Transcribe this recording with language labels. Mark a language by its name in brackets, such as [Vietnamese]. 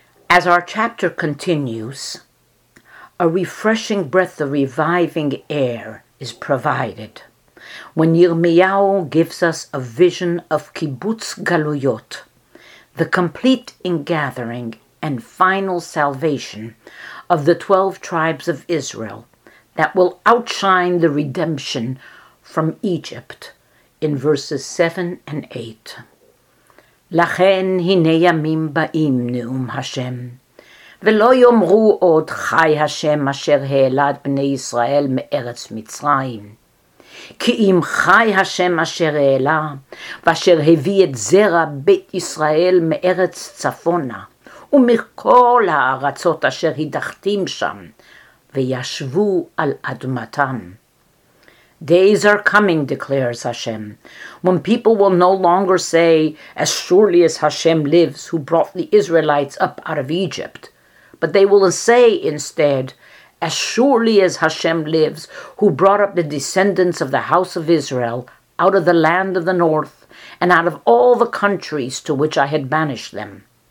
[English] As our chapter continues, a refreshing breath of reviving air is provided when Yirmiyahu gives us a vision of Kibbutz Galuyot, the complete ingathering and final salvation of the 12 tribes of Israel that will outshine the redemption from Egypt in verses 7 and 8. [Hebrew] Lachen hine yamim ba'im neum Hashem. ולא יאמרו עוד חי השם אשר העלת בני ישראל מארץ מצרים. כי אם חי השם אשר העלה, ואשר הביא את זרע בית ישראל מארץ צפונה, ומכל הארצות אשר הדחתים שם, וישבו על אדמתם. [English] Days are coming, declares Hashem, when people will no longer say, as surely as Hashem lives, who brought the Israelites up out of Egypt. But they will say instead, as surely as Hashem lives, who brought up the descendants of the house of Israel out of the land of the north and out of all the countries to which I had banished them.